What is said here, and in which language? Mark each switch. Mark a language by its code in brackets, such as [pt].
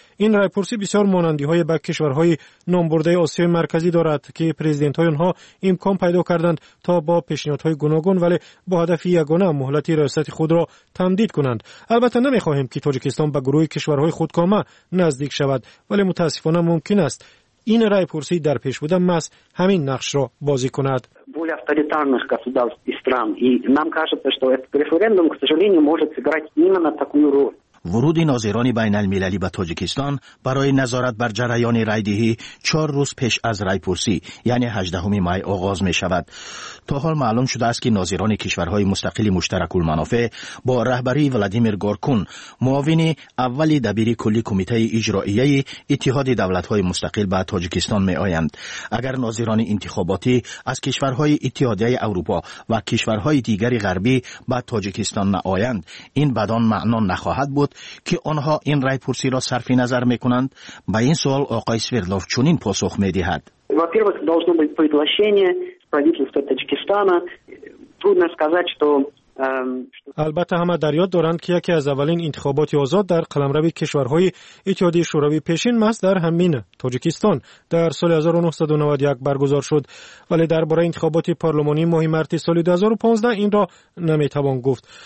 [fa] این رایپرسی بسیار مانندی‌های با کشورهای نامبرده آسیای مرکزی دارد که پرزیدنت‌های آنها امکان پیدا کردند تا با پیشنهادهای گوناگون ولی با هدف یگانه مهلت ریاست خود را تمدید کنند. البته نمی‌خواهیم که تاجیکستان به گروه کشورهای خودکامه نزدیک شود، ولی متاسفانه ممکن است این رایپرسی در پیش بوده ماست همین نقش را بازی کند. [ru] более авторитарных государств и стран, и нам кажется, что этот референдум, к сожалению, может сыграть именно такую роль. [fa] ورود ناظران بین المللی به تاجیکستان برای نظارت بر جریان رای‌دهی 4 روز پیش از رایپرسی یعنی 18 می آغاز می شود. تا حال معلوم شده است که ناظران کشورهای مستقل مشترک المنافع با رهبری ولادیمیر گورکون، معاون اول دبیر کلی کمیته اجرائیه اتحاد دولت‌های مستقل به تاجیکستان می آیند. اگر ناظران انتخاباتی از کشورهای اتحادیه اروپا و کشورهای دیگر غربی به تاجیکستان نآیند، این بدان معنا نخواهد بود که آنها این رایپرسی را صرف نظر میکنند. با این سوال آقای سویردلوف چنین پاسخ میدهد. [ru] во-первых, должно быть приглашение правительства Таджикистана. Трудно сказать, что [fa] البته همه در یاد دارند که یکی از اولین انتخابات آزاد در قلمرو کشورهای اتحادیه شوروی پیشین ماست در همین تاجیکستان در سال 1991 برگزار شد، ولی درباره انتخابات پارلمانی ماه مارس سال 2015 این را نمیتوان گفت.